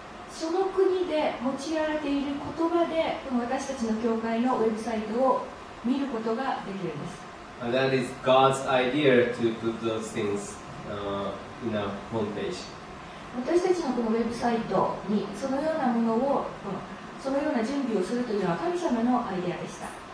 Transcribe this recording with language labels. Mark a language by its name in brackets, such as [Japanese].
[Japanese] その国で用いられている言葉でこの私たちの教会のウェブサイトを見ることができるんです。 [English] And that is God's idea to put those things in our homepage. [Japanese] 私たちのこのウェブサイトにそのようなものをそのような準備をするというのは神様のアイデアでした。